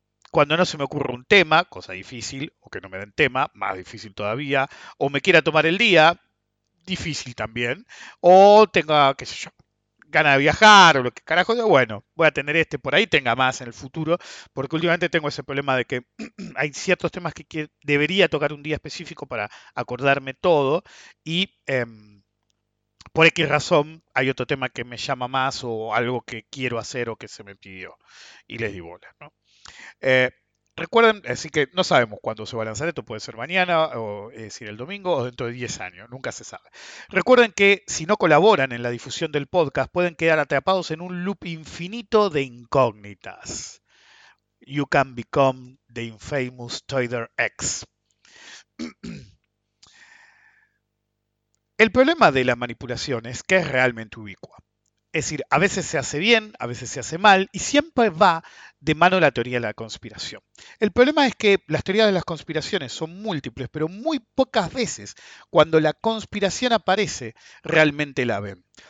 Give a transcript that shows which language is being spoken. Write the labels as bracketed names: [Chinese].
[Spanish] Cuando no se me ocurre un tema, cosa difícil, o que no me den tema, más difícil todavía, o me quiera tomar el día, difícil también, o tenga, qué sé yo, ganas de viajar, o lo que carajo, yo, bueno, voy a tener este por ahí, tenga más en el futuro, porque últimamente tengo ese problema de que hay ciertos temas que debería tocar un día específico para acordarme todo, y por X razón hay otro tema que me llama más, o algo que quiero hacer, o que se me pidió, y les di bola, ¿no? Recuerden, así que no sabemos cuándo se va a lanzar esto, puede ser mañana, o es decir, el domingo, o dentro de 10 años, nunca se sabe. Recuerden que si no colaboran en la difusión del podcast, pueden quedar atrapados en un loop infinito de incógnitas. [English] You can become the infamous Trader X. [Spanish] El problema de la manipulación es que es realmente ubicua. Es decir, a veces se hace bien, a veces se hace mal, y siempre va de mano la teoría de la conspiración. El problema es que las teorías de las conspiraciones son múltiples, pero muy pocas veces cuando la conspiración aparece, realmente la ven.